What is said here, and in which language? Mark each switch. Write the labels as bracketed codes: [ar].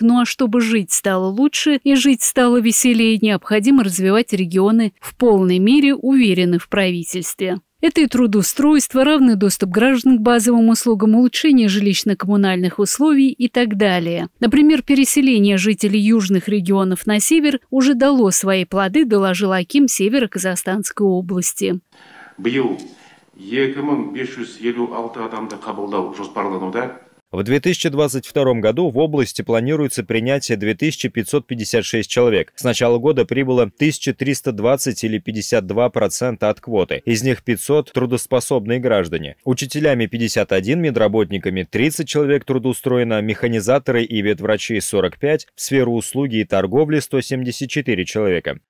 [ru] Ну а чтобы жить стало лучше и жить стало веселее, необходимо развивать регионы в полной мере, уверены в правительстве. Это и трудоустройство, равный доступ граждан к базовым услугам, улучшение жилищно-коммунальных условий и так далее. Например, переселение жителей южных регионов на север уже дало свои плоды, доложил аким Северо-Казахстанской области. [kk] Биыл 2556 адамды қабылдау жоспарлануда. [ru] В 2022 году в области планируется принятие 2556 человек. С начала года прибыло 1320 или 52% от квоты. Из них 500 – трудоспособные граждане. Учителями 51, медработниками 30 человек трудоустроено, механизаторы и ветврачи 45, в сферу услуги и торговли 174 человека.